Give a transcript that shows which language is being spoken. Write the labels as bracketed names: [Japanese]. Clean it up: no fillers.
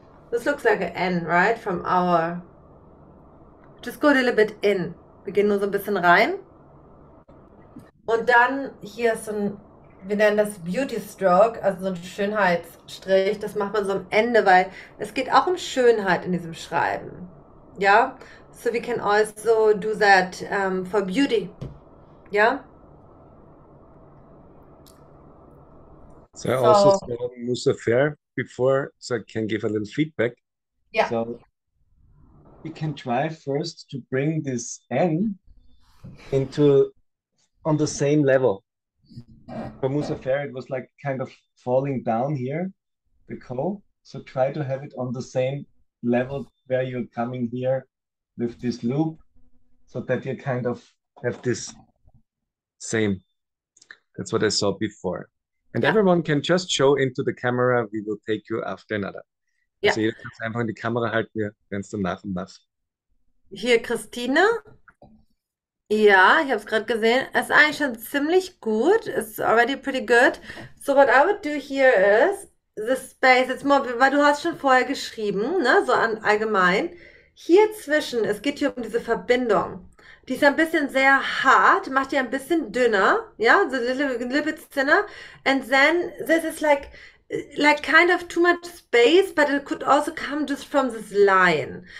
[English] This looks like a N, right? From our. Just go a little bit in. [German] Wir gehen nur so ein bisschen rein. Und dann hier ist so ein, wir nennen das Beauty Stroke, also so ein Schönheitsstrich. Das macht man so am Ende, weil es geht auch um Schönheit in diesem Schreiben. Ja? [English] So we can also do that for beauty. [German] Ja? [English] So, I also So. saw Musa Fair before, so I can give a little feedback. Yeah. So, we can try first to bring this N into on the same level. For Musa Fair, it was like kind of falling down here, the co. So, try to have it on the same level where you're coming here with this loop, so that you kind of have this same. That's what I saw before. And everyone can just show into the camera, we will take you after another. [German] Also jeder kann es einfach in die Kamera halten, wir werden es dann nach und nach. Hier Christine. Ja, ich habe es gerade gesehen. Es ist eigentlich schon ziemlich gut. [English] It's already pretty good. So, what I would do here is, the space, it's more, [German] weil du hast schon vorher geschrieben, ne, so an allgemein. Hier zwischen, es geht hier um diese Verbindung. Die ist ein bisschen sehr hart, macht die ein bisschen dünner, ja, [English] so little bit thinner. And then, this is like, kind of too much space, but it could also come just from this line.